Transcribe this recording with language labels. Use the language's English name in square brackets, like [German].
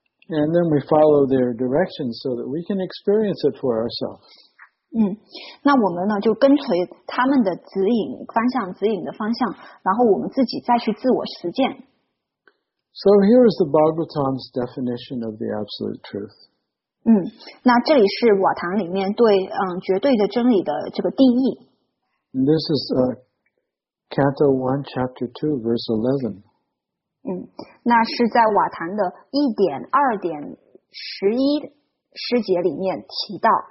[English] And then we follow their directions so that we can experience it for ourselves. [Chinese] 那我们呢就跟随他们的指引方向，指引的方向，然后我们自己再去自我实践。 [English] So here is the Bhagavatam's definition of the absolute truth. [Chinese] 那这里是瓦唐里面对绝对的真理的这个定义。 [English] And this is Canto 1, Chapter 2, Verse 11. [Chinese] 那是在瓦唐的 1.2.11 诗节里面提到。